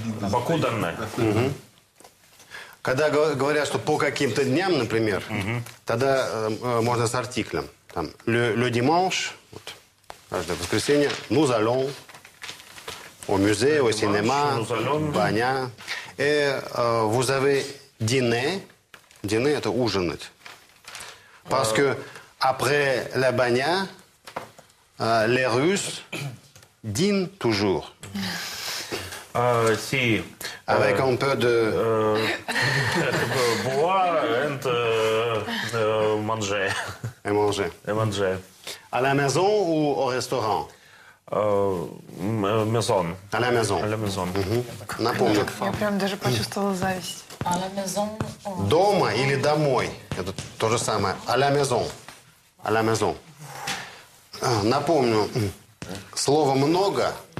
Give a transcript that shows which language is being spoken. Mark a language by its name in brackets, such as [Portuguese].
[Russian] Баку данне когда говорят что по каким-то дням например тогда можно с артиклем там [French] le dimanche [Russian] вот, каждое воскресенье [French] nous allons au musée au cinéma [Russian] баня [French] et vous avez dîner [Russian] это ужинать. [French] Parce que après la bagna, les Russes dînent toujours. Si. Avec un peu de. Boire et manger. Et manger. Et manger. À la maison ou au restaurant? Maison. À la maison. À la maison. [Russian] Напомню. Я прям даже почувствовала зависть. Дома или домой? Это то же самое. [French] À la maison. À la maison. [Russian] Напомню, слово много.